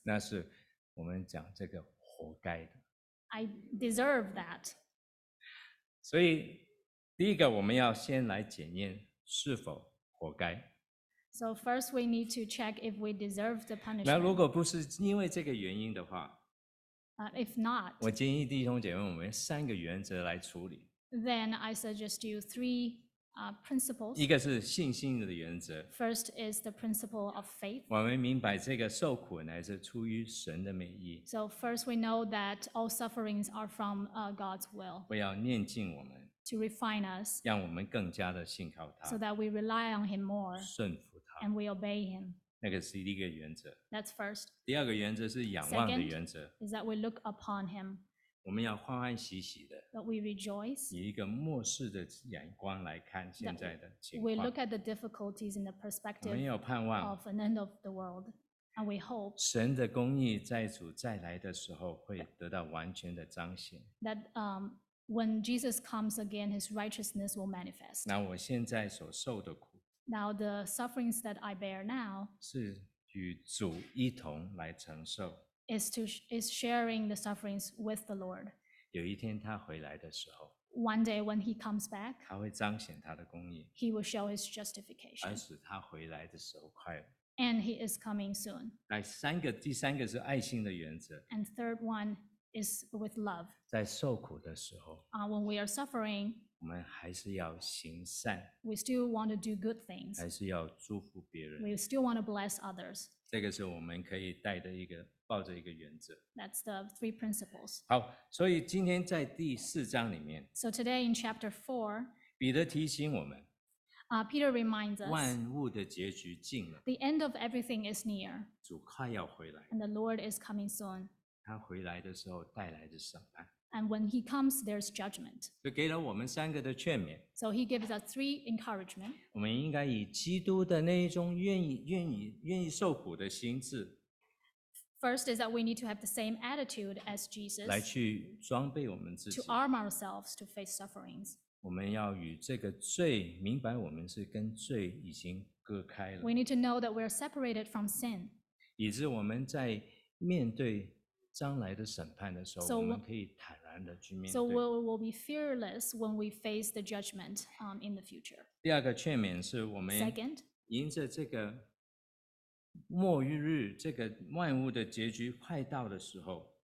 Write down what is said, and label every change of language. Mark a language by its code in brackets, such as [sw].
[zh] 那是我们讲这个活该的。 [en] I deserve that. [zh] 所以第一个我们要先来检验是否活该。 [en] So first we need to check if we deserve the punishment. [zh] 那如果不是因为这个原因的话 [en] if not, [zh] 我建议弟兄姐妹我们三个原则来处理。 [en] Then I suggest you threeprinciples. [zh] 一个是信心的原则。 [en] First is the principle of faith. [zh] 我们明白这个受苦乃是出于神的美意。 [en] So first we know that all sufferings are from God's will. [zh] 不要炼净我们。 [en] To refine us. [zh] 让我们更加的信靠他。 [en] So that we rely on him more. [zh] 顺服他。 [en] And we obey him. [zh] 那个是第一个原则。 [en] That's first. [zh] 第二个原则是仰望的原则。 [en] Second is that we look upon him. [zh] 我们要欢欢喜喜的 [en] But we rejoice, [zh] 以一个末世的眼光来看现在的情况 [en] we look at the difficulties in the perspective of an end of the world and we hope [zh] 神的公义在主再来的时候会得到完全的彰显 [en] that when Jesus comes again his righteousness will manifest [zh] 那我现在所受的苦 [en] now the sufferings that I bear now [zh] 是与主一同来承受 [en] is sharing the sufferings with the Lord. [zh] 有一天他回来的时候 [en] One day when he comes back, [zh] 他会彰显他的公义 [en] he will show his justification. [zh] 而使他回来的时候快乐 [en] And he is coming soon. [zh] 第三个是爱心的原则 [en] And third one is with love. [zh] 在受苦的时候 [en] When we are suffering, [zh] 我们还是要行善 [en] we still want to do good things. [zh] 还是要祝福别人 [en] we still want to bless others. [zh] 这个是我们可以带的一个抱着一个原则。 [en] That's the three principles. [zh] 好，所以今天在第四章里面。 [en] So today in chapter four, [zh] 彼得提醒我们。 [en] Peter reminds us. [zh] 万物的结局近了。 [en] The end of everything is near. [zh] 主快要回来。 [en] And the Lord is coming soon. [zh] 他回来的时候带来的审判。 [en] And when he comes, there's judgment. [zh] 就给了我们三个的劝勉。 [en] So he gives us three encouragement. [zh] 我们应该以基督的那一种愿意受苦的心智。 [en] First is that we need to have the same attitude as Jesus [zh] 来去装备我们自己 [en] to arm ourselves to face sufferings. [zh] 我们要与这个罪明白我们是跟罪已经隔开了 [en] We need to know that we are separated from sin. [zh] 以致我们在面对将来的审判的时候 [en] so, [zh] 我们可以坦然地去面对 [en] So we will be fearless when we face the judgment in the future. [zh] 第二个劝勉是我们迎着这个末日这个万物的结局快到的时候